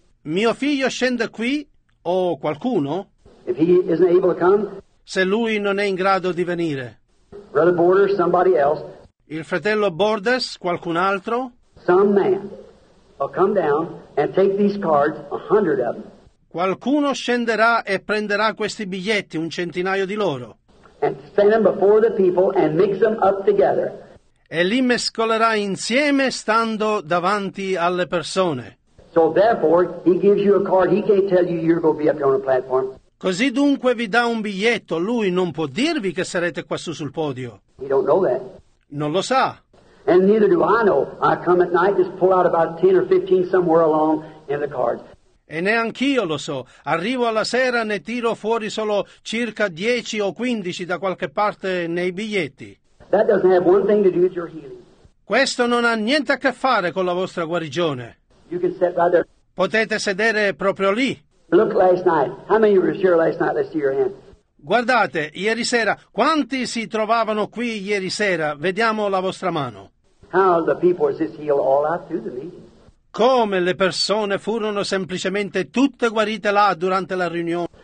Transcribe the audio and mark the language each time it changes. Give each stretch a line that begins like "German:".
Italian: Mio figlio scende qui, o qualcuno.
English: If he isn't able to come.
Italian: Se lui non è in grado di venire.
English: Brother Border, somebody else.
Italian: Il fratello Borders, qualcun altro.
English: Some man. I'll come down and take these cards, 100 of them.
Italian: Qualcuno scenderà e prenderà questi biglietti, un centinaio di loro.
English: And stand them before the people and mix them up together.
Italian: E li mescolerà insieme stando davanti alle persone.
English: So therefore, he gives you a card. He can't tell you you're going to be up here on the platform.
Italian: Così dunque vi dà un biglietto. Lui non può dirvi che sarete quassù sul podio.
English: He don't know that.
Italian: Non lo sa.
English: And neither do I know. I come at night, just pull out about 10 or 15 somewhere along in the cards.
Italian: E neanch'io lo so. Arrivo alla sera, ne tiro fuori solo circa 10 o 15 da qualche parte nei biglietti.
English: That doesn't have one thing to do with your healing.
Italian: Questo non ha niente a che fare con la vostra guarigione.
English: You can sit right there.
Italian: Potete sedere proprio lì.
English: Look last night. How many were here last night? Let's see your hand.
Italian: Guardate, ieri sera, quanti si trovavano qui ieri sera? Vediamo la vostra mano.
English: How the people just healed all out through the meeting.
Italian: Come le persone furono semplicemente tutte guarite là durante la riunione.